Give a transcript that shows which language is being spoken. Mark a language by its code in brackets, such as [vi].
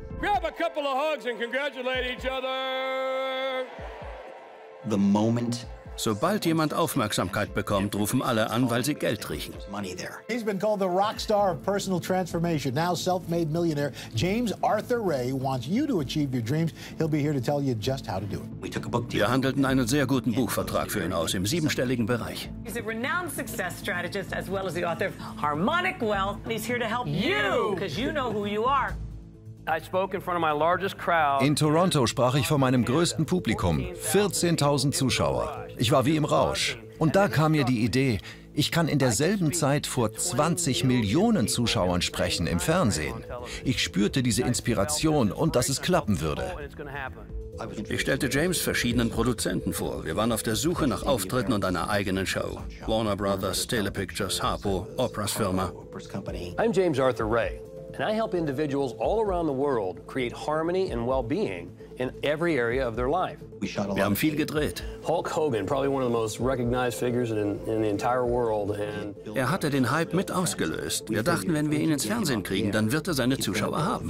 [en] Grab a couple of hugs and congratulate each other. The moment. [de] Sobald jemand Aufmerksamkeit bekommt, rufen alle an, weil sie Geld riechen. [en] He's been called the rock star of personal transformation. Now self-made millionaire James Arthur Ray wants you to achieve your dreams. He'll be here to tell you just how to do it. [de] Wir handelten einen sehr guten Buchvertrag für ihn aus, im siebenstelligen Bereich. [en] He's a renowned success strategist as well as the author of Harmonic Wealth. He's here to help you, because you know who you are. [de] In Toronto sprach ich vor meinem größten Publikum, 14.000 Zuschauer. Ich war wie im Rausch. Und da kam mir die Idee, ich kann in derselben Zeit vor 20 Millionen Zuschauern sprechen im Fernsehen. Ich spürte diese Inspiration und dass es klappen würde. Ich stellte James verschiedenen Produzenten vor. Wir waren auf der Suche nach Auftritten und einer eigenen Show. Warner Brothers, Telepictures, Harpo, Opras Firma. [en] I'm James Arthur Ray. And I help individuals all around the world create harmony and well-being in every area of their life. We shot a lot. [de] Wir haben viel gedreht. [en] Hulk Hogan, probably one of the most recognized figures in the entire world. And [de] er hatte den Hype mit ausgelöst. Wir dachten, wenn wir ihn ins Fernsehen kriegen, dann wird er seine Zuschauer haben.